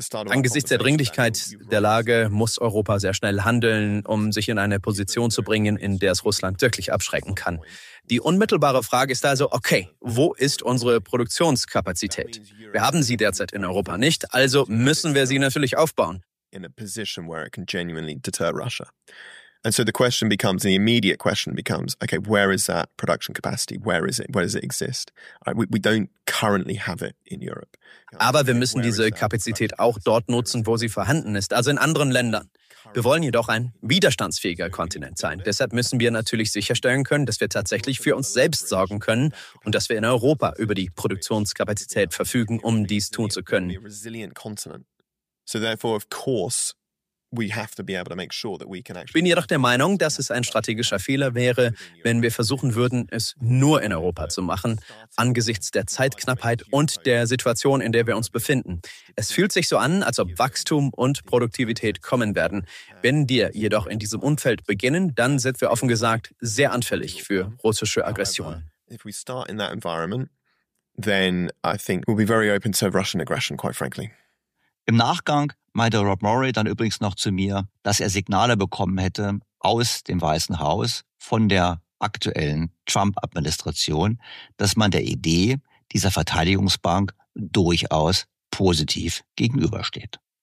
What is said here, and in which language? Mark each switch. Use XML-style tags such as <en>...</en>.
<de>Angesichts der Dringlichkeit der Lage muss Europa sehr schnell handeln, um sich in eine Position zu bringen, in der es Russland wirklich abschrecken kann. Die unmittelbare Frage ist also, okay, wo ist unsere Produktionskapazität? Wir haben sie derzeit in Europa nicht, also müssen wir sie natürlich aufbauen.</de> <en>In a position where it can genuinely deter Russia. And so the question becomes, the immediate question becomes, okay, where is that production capacity? Where is it? Where does it exist? We don't currently have it in Europe.</en> <de>Aber wir müssen diese Kapazität auch dort nutzen, wo sie vorhanden ist, also in anderen Ländern. Wir wollen jedoch ein widerstandsfähiger Kontinent sein. Deshalb müssen wir natürlich sicherstellen können, dass wir tatsächlich für uns selbst sorgen können und dass wir in Europa über die Produktionskapazität verfügen, um dies tun zu können. Ich bin jedoch der Meinung, dass es ein strategischer Fehler wäre, wenn wir versuchen würden, es nur in Europa zu machen, angesichts der Zeitknappheit und der Situation, in der wir uns befinden. Es fühlt sich so an, als ob Wachstum und Produktivität kommen werden. Wenn wir jedoch in diesem Umfeld beginnen, dann sind wir offen gesagt sehr anfällig für russische Aggression.</de> <en>If we start in that environment, then I think we'll be very open to Russian aggression, quite frankly.</en> <de>Im Nachgang meinte Rob Murray dann übrigens noch zu mir, dass er Signale bekommen hätte aus dem Weißen Haus von der aktuellen Trump-Administration, dass man der Idee dieser Verteidigungsbank durchaus positiv gegenübersteht.</de>